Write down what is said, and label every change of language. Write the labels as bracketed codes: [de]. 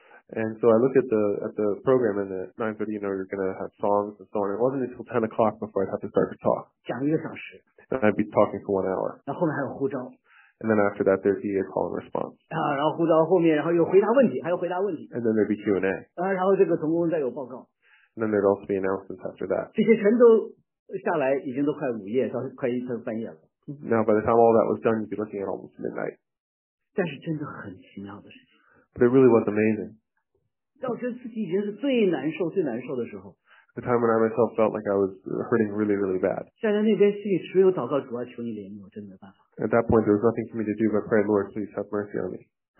[en] and so I looked at the program and at 9:30, you know, you're gonna have songs and so on. It wasn't until 10 o'clock before I'd have to start to talk. [zh] 讲一个小时, [en] and I'd be talking for 1 hour. [zh] 然后后面还有呼召, [en] and then after that, there'd be a call and response. [zh] 啊, 然后呼召后面, 然后又回答问题, 还有回答问题, [en] and then there'd be Q&A. [zh] 啊, 然后这个总工人再有报告, [en] and then there'd also be announcements after that. [zh] 这些全都下来已经都快午夜, 快一天半夜了。 [en] Now by the time all that was done, you'd be looking at almost midnight. [zh] 但是真的很奇妙的事情。 [en] But it really was amazing. [zh] 到时自己已经是最难受的时候。 [en] The time when I myself felt like I was hurting really, really bad. [zh] 站在那边心里只有祷告主啊求你怜悯我真的没办法。 [en] At that point, there was nothing for me to do but pray, Lord, please have mercy on me.